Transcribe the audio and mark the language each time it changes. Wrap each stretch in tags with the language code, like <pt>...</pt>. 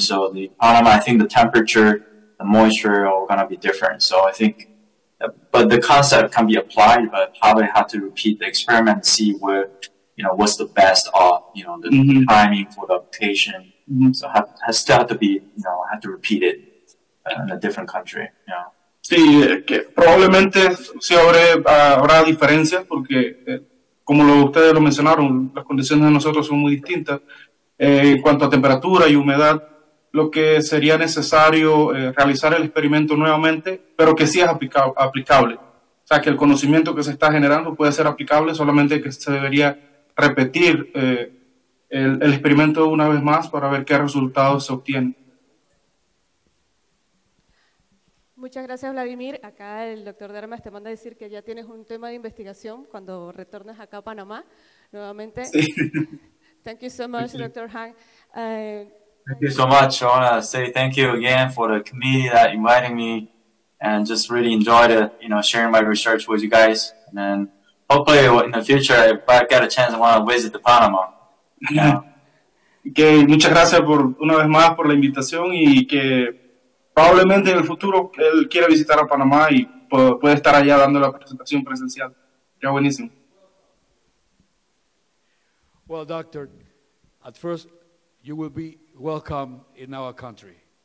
<en>So the Panama, I think the temperature, the moisture are all gonna be different. So I think, but the concept can be applied, but probably have to repeat the experiment and see where, you know, what's the best of, you know, the timing for the application. So has still have to be, you know, have to repeat it in a different country. Yeah.</en> <es>Sí, que probablemente sí habrá diferencias porque, como ustedes lo mencionaron, las condiciones de nosotros son muy distintas en cuanto a temperatura y humedad. Lo que sería necesario realizar el experimento nuevamente, pero que sí es aplicable. O sea, que el conocimiento que se está generando puede ser aplicable, solamente que se debería repetir el experimento una vez más para ver qué resultados se obtienen. Muchas gracias, Vladimir. Acá el doctor Dermas te manda a decir que ya tienes un tema de investigación cuando retornas acá a Panamá nuevamente. Sí.</es> <en>Thank you so much, Dr. Hang. Thank you so much. I want to say thank you again for the committee that inviting me, and just really enjoyed it, you know, sharing my research with you guys. And then hopefully in the future, if I get a chance, I want to visit the Panama. Yeah.</en> <es>Que muchas gracias por una vez más por la invitación y que probablemente en el futuro él quiera visitar a Panamá y puede estar allá dando la presentación presencial. Ya buenísimo.</es> <en>Well, doctor, at first you will be welcome in our country.</en>